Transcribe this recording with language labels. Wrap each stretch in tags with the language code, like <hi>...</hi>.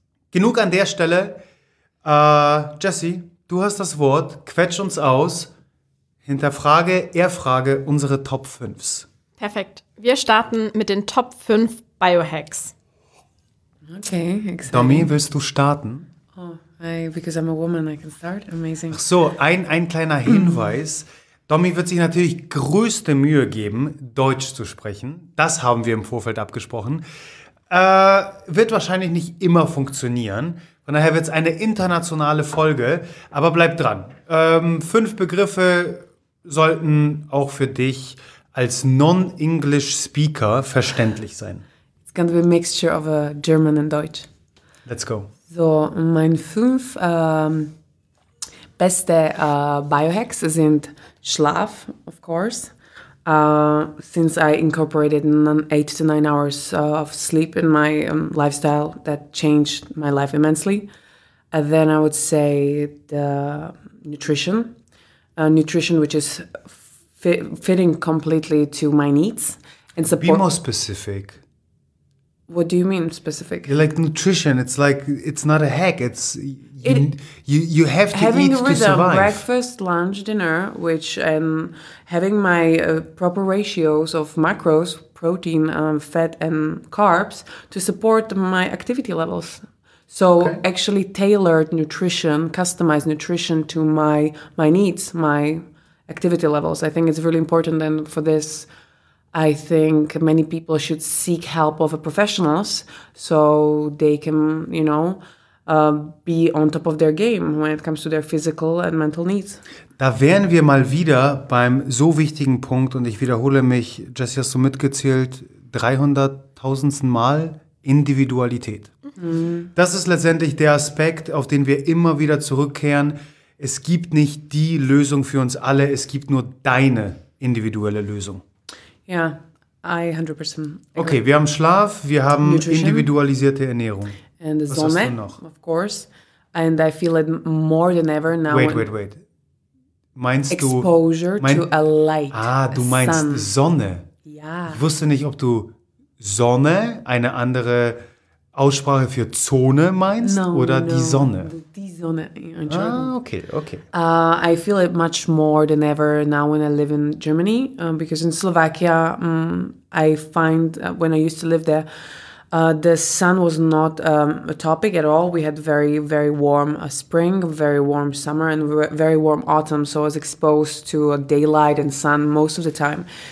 <de>Genug an der Stelle. Jessie, du hast das Wort. Quetsch uns aus. Hinterfrage, erfrage unsere Top 5. Perfekt. Wir starten mit den Top 5 Biohacks.</de> <en>Okay, exciting.</en> <de>Domi, willst du starten?</de> <en>Because I'm a woman, I can start. Amazing.</en> <de>Ach so, ein kleiner Hinweis. Domi wird sich natürlich größte Mühe geben, Deutsch zu sprechen. Das haben wir im Vorfeld abgesprochen. Wird wahrscheinlich nicht immer funktionieren. Von daher wird es eine internationale Folge. Aber bleib dran. 5 Begriffe sollten auch für dich als Non-English Speaker verständlich sein.</de> <en>It's going to be a mixture of a German and Deutsch. Let's go.</en> <de>So, meine 5 beste Biohacks sind Schlaf,</de> <en>of course. Since I incorporated 8 to 9 hours of sleep in my lifestyle, that changed my life immensely. And then I would say the nutrition. Nutrition which is fitting completely to my needs and support. Be more specific. What do you mean specific? Like nutrition, it's like, it's not a hack. It's, you have to eat to survive. Having a rhythm, breakfast, lunch, dinner, which, and having my proper ratios of macros, protein, fat, and carbs to support my activity levels. So okay. actually tailored nutrition, customized nutrition to my needs, my activity levels. I think it's really important. And for this, I think many people should seek help of a professionals so they can, you know, be on top of their game when it comes to their physical and mental needs.</en> <de>Da wären wir mal wieder beim so wichtigen Punkt, und ich wiederhole mich, Jessie, hast du mitgezählt, 300.000sten Mal, Individualität. Das ist letztendlich der Aspekt, auf den wir immer wieder zurückkehren. Es gibt nicht die Lösung für uns alle, es gibt nur deine individuelle Lösung. Ja,</de> <en>yeah, I 100% agree.</en> <de>Okay, wir haben Schlaf, wir haben Nutrition, individualisierte Ernährung.</de> <en>And the Sonne,</en> <de>was hast du noch?</de> <en>Of course. And I feel it more than ever now.</en> <de>Wait. Meinst du...</de> <en>Exposure to a light.</en> <de>Ah, du meinst</de> <en>sun.</en> <de>Sonne. Ja. Ich wusste nicht, ob du Sonne, eine andere Aussprache für Zone meinst, oder die Sonne? Die Sonne. Okay.</de> <en>I feel it much more than ever now when I live in Germany, because in Slovakia, I find, when I used to live there, the sun was not a topic at all. We had very, very warm spring, very warm summer, and very warm autumn, so I was exposed to daylight and sun most of the time.</en>